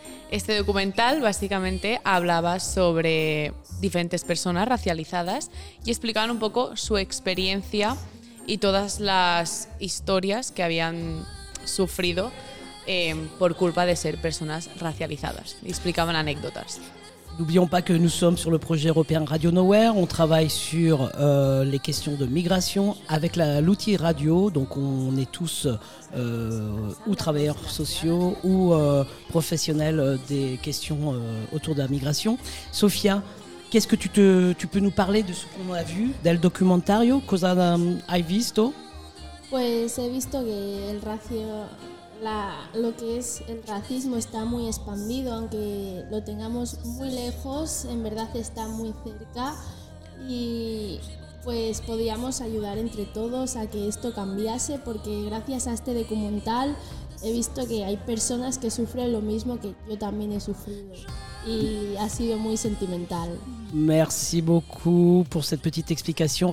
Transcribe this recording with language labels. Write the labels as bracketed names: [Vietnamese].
[Spanish] Este documental básicamente hablaba sobre diferentes personas racializadas y explicaban un poco su experiencia y todas las historias que habían sufrido por culpa de ser personas racializadas. Explicaban anécdotas. [French] N'oublions pas que nous sommes sur le projet européen Radio Nowhere. On travaille sur les questions de migration avec l'outil radio. Donc on est tous ou travailleurs sociaux ou professionnels des questions autour de la migration. Sofia, qu'est-ce que tu peux nous parler de ce qu'on a vu, [Spanish] del documentario? [Italian] Cosa hai visto? [Spanish] Pues he visto que el racio... lo que es el racismo está muy expandido, aunque lo tengamos muy lejos, en verdad está muy cerca y pues podríamos ayudar entre todos a que esto cambiase, porque gracias a este documental he visto que hay personas que sufren lo mismo que yo también he sufrido y ha sido muy sentimental. [French] Merci beaucoup pour cette petite explication.